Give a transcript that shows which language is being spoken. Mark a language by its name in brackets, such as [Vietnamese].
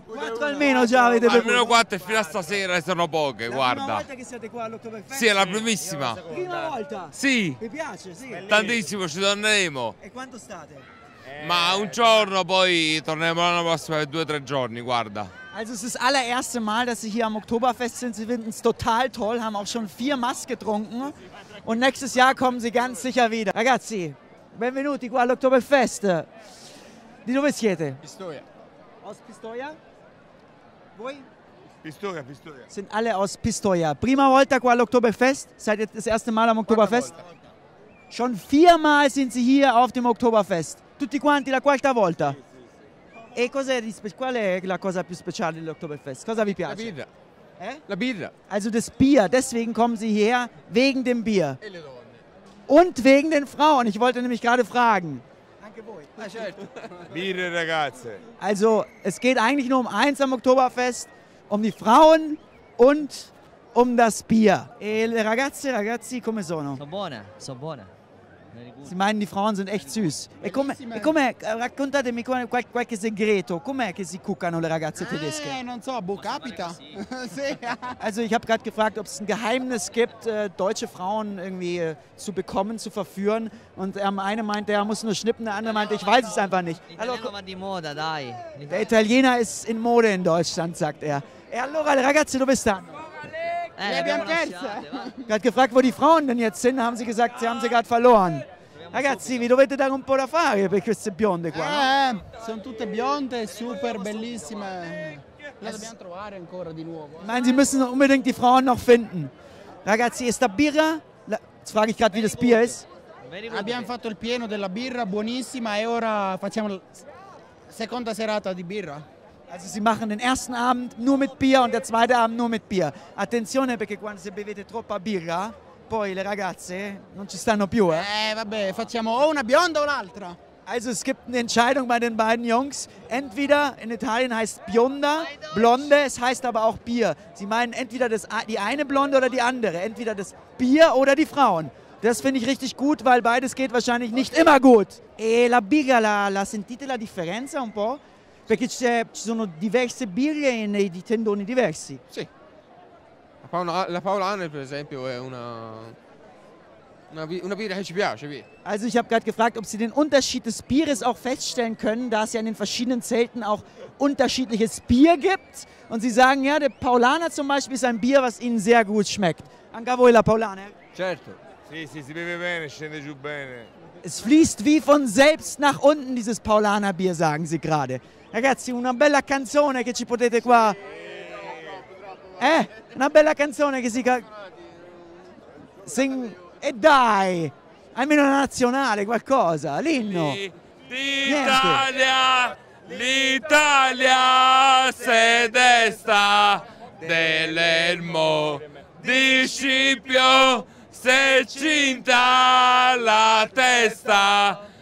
[Italian] Quattro almeno già avete bevuto? Almeno quattro e fino a stasera sono poche, la guarda. La prima volta che siete qua all'Oktoberfest? Sì, è la primissima. La prima volta? Sì. Vi piace? Sì. Tantissimo, ci torneremo. E quanto state? Ma un giorno, poi torneremo l'anno prossimo per due o tre giorni, guarda. [German] Also es ist das allererste Mal, dass Sie hier am Oktoberfest sind. Sie finden es total toll, haben auch schon vier Mass getrunken. Und nächstes Jahr kommen Sie ganz sicher wieder. [Italian] Ragazzi, benvenuti qua all'Oktoberfest. Di dove siete? Pistoia. [German] Aus [Italian] Pistoia? Voi? Pistoia, Pistoia. [German] Sind alle aus Pistoia. [Italian] Prima volta qua all'Oktoberfest? [German] Seid ihr das erste Mal am Oktoberfest? Schon viermal sind Sie hier auf dem Oktoberfest. [Italian] Tutti quanti la quarta volta. E qual è la cosa più speciale dell'Oktoberfest? Cosa vi piace? La birra. Eh? La birra. [German] Also das Bier, deswegen kommen Sie hierher, wegen dem Bier. [Italian] E le donne. [German] Und wegen den Frauen, ich wollte nämlich gerade fragen. [Italian] Anche voi. Ah, certo. Birre, ragazze. [German] Also es geht eigentlich nur um eins am Oktoberfest, um die Frauen und um das Bier. [Italian] E le ragazze, ragazzi, come sono? Sono buone, sono buone. [German] Sie meinen, die Frauen sind echt süß. [Italian] E come, raccontatemi qualche segreto. Com'è che si cuccano le ragazze tedesche? Non so, boh, capita. [German] Also ich habe gerade gefragt, ob es ein Geheimnis gibt, deutsche Frauen irgendwie zu bekommen, zu verführen. Und der eine meinte, er muss nur schnippen, der andere meinte, ich weiß es einfach nicht. Der Italiener ist in Mode in Deutschland, sagt er. [Italian] E allora, ragazze, dove stanno? [German] Gerade gefragt, wo die Frauen denn jetzt sind, haben sie gesagt, sie haben sie gerade verloren. [Italian] Ragazzi, vi dovete dare un po' da fare per queste bionde qua. Sono tutte bionde, super bellissime. Le dobbiamo trovare ancora di nuovo. [German] Nein, sie müssen unbedingt die Frauen noch finden. [Italian] Ragazzi, [German] ist da birra? Jetzt frage ich gerade, wie das Bier ist. [Italian] Abbiamo fatto il pieno della birra, buonissima, e ora facciamo la seconda serata di birra. [German] Also sie machen den ersten Abend nur mit Bier und der zweite Abend nur mit Bier. [Italian] Attenzione, perché quando se bevete troppa birra, poi le ragazze non ci stanno più, eh? Vabbè, facciamo o una bionda o l'altra. [German] Also es gibt eine Entscheidung bei den beiden Jungs. Entweder, in Italien heißt bionda, blonde, es heißt aber auch Bier. Sie meinen entweder die eine Blonde oder die andere. Entweder das Bier oder die Frauen. Das finde ich richtig gut, weil beides geht wahrscheinlich nicht immer gut. [Italian] E la birra, la sentite la differenza un po'? Perché ci sono diverse birre nei tendoni diversi. Sì. La Paulaner, per esempio, è una birra che ci piace. Via. [German] Also, ich habe gerade gefragt, ob Sie den Unterschied des Bieres auch feststellen können, da es ja in den verschiedenen Zelten auch unterschiedliches Bier gibt. Und Sie sagen, ja, der Paulaner zum Beispiel ist ein Bier, was Ihnen sehr gut schmeckt. [Italian] Anche a voi la Paulaner? Certo. Sì, sì, si beve bene, scende giù bene. [German] Es fließt wie von selbst nach unten, dieses Paulaner-Bier, sagen Sie gerade. [Italian] Ragazzi, una bella canzone che ci potete qua. Una bella canzone che si sing. E dai! Almeno una nazionale, qualcosa. L'inno. L'Italia, l'Italia se destra dell'elmo di Scipio se cinta la testa.